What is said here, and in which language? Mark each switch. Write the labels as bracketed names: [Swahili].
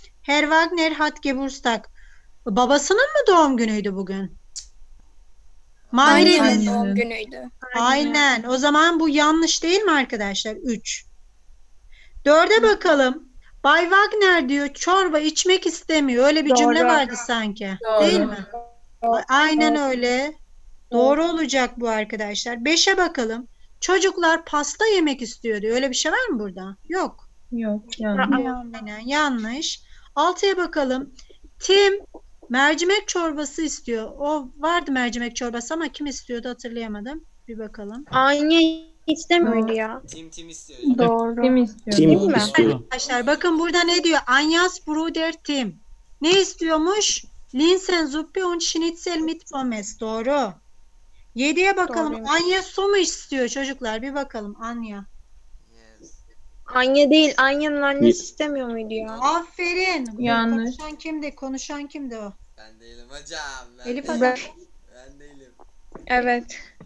[German] Herr Wagner hat Geburtstag. [Turkish] Babasının mı doğum günüydü bugün? Mahirenin doğum günüydü. Aynen. O zaman bu yanlış değil mi arkadaşlar? 3. 4'e bakalım. Bay Wagner diyor çorba içmek istemiyor. Öyle bir cümle vardı sanki. Doğru. Değil mi? Aynen öyle. Doğru olacak bu arkadaşlar. 5'e bakalım. Çocuklar pasta yemek istiyor diyor. Öyle bir şey var mı burada? Yok. Yok, yanlış. 6'ya bakalım. Tim mercimek çorbası istiyor. O vardı mercimek çorbası ama kim istiyordu hatırlayamadım. Bir bakalım. Anya istemiyor doğru. ya. Tim istiyor. Doğru. Tim istiyor. Tim istiyor. Arkadaşlar bakın burada ne diyor? [German] Anya's Bruder Tim. [Turkish] Ne istiyormuş? [German] Linsen Zuppe und Schnitzel mit Pommes. [Turkish] Doğru. 7'ye bakalım. Doğru. Anya su mu istiyor çocuklar? Bir bakalım Anya. Anya değil, Anya'nın annesi istemiyor muydu ya? Aferin. Yanlış. Konuşan kimdi? Konuşan kimdi o? Ben değilim hocam. Elif adam. Ben değilim. Evet.